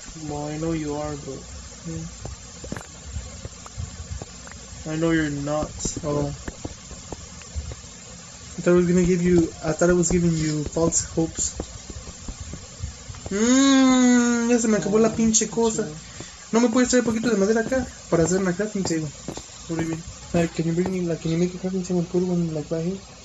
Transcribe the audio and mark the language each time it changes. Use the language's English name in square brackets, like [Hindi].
[English] Well, I know you are, but I know you're not. Oh. But I thought I was gonna give you. I thought I was giving you false hopes. [Spanish] Ya se me acabó la pinche cosa. No me puedes traer un poquito de madera acá para hacer una crafting table. [English] What do you mean? Like, can you bring me, like, can you make a crafting table put one, like, right here?